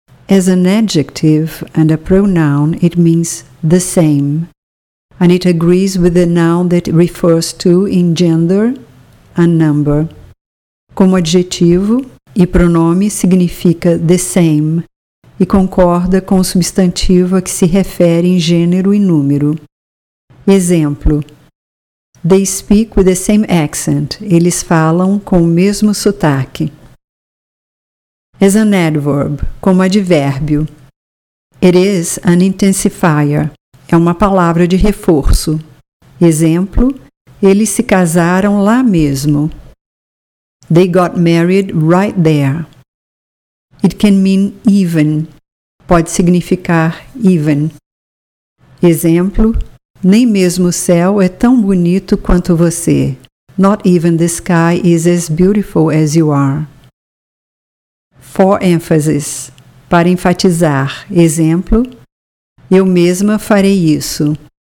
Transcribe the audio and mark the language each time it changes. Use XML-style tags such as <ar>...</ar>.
<en>As an adjective and a pronoun, it means the same. And it agrees with the noun that it refers to in gender and number.</en> <pt>Como adjetivo e pronome significa the same. E concorda com o substantivo a que se refere em gênero e número.</pt> <en>Exemplo. They speak with the same accent.</en> <pt>Eles falam com o mesmo sotaque.</pt> <en>As an adverb,</en> <pt>como advérbio.</pt> <en>It is an intensifier.</en> <pt>É uma palavra de reforço. Exemplo, eles se casaram lá mesmo.</pt> <en>They got married right there. It can mean even.</en> <pt>Pode significar even. Exemplo, nem mesmo o céu é tão bonito quanto você.</pt> <en>Not even the sky is as beautiful as you are. For emphasis,</en> <pt>para enfatizar, exemplo, eu mesma farei isso.</pt>